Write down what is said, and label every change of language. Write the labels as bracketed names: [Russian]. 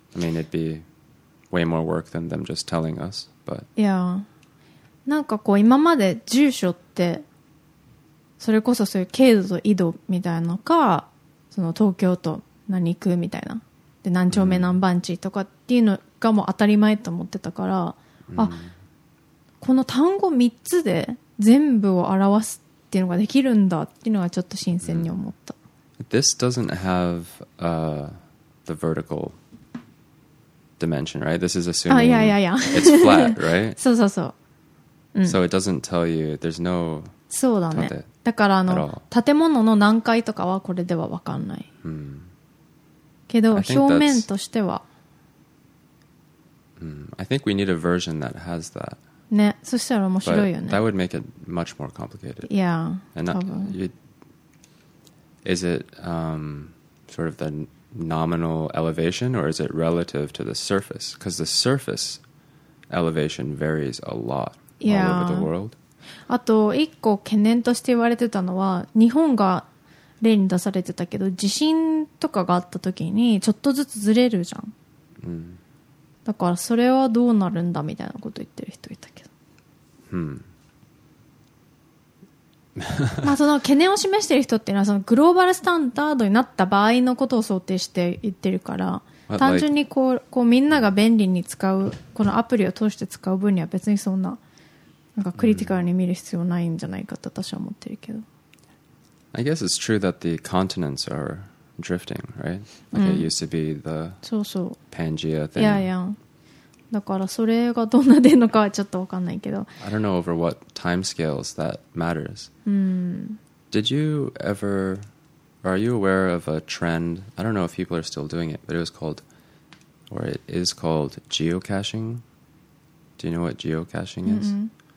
[English] I mean it'd be way more work than them just telling us but [Japanese] yeah なんかこう今まで住所ってそれこそそういう経度と緯度みたいなのかその東京都何区みたいなで何丁目何番地とかっていうのがもう当たり前と思ってたから、mm. あこの単語3つで全部を表すっていうのができるんだっていうのがちょっと新鮮に思った、 [English] mm. This doesn't have、the vertical dimension, right? This is assuming it's flat, right? [Japanese] そうそうそう、 [English] うん、So it doesn't tell you, there's no [Japanese] そうだねだからあの建物の何階とかはこれでは分かんない、 hmm. けど表面としては、 [English] hmm. I think we need a version that has that [Japanese] ねそしたら面白いよね [English] But that would make it much more complicated Yeah And that, Is it、sort of the nominal elevation or is it relative to the surface because the surface elevation varies a lot、 yeah. all over the world [Japanese] あと一個懸念として言われてたのは日本が例に出されてたけど地震とかがあった時にちょっとずつずれるじゃん、うん、だからそれはどうなるんだみたいなこと言ってる人いたけど、うん、まあその懸念を示してる人っていうのはそのグローバルスタンダードになった場合のことを想定して言ってるから単純にこうみんなが便利に使うこのアプリを通して使う分には別にそんななんかクリティカルに見る必要ないんじゃないかと私は思ってるけど。 [English] I guess it's true that the continents are drifting, right? Like、うん、it used to be the [Japanese] そうそう [English] Pangea thing. Yeah, yeah. [Japanese] だからそれがどんな出るのかはちょっとわかんないけど。 [English] I don't know over what time scales that matters.、 [Japanese] うん、 [English] Did you ever, are you aware of a trend? I don't know if people are still doing it, but it was called, or it is called geocaching. Do you know what geocaching is?、 Mm-hmm.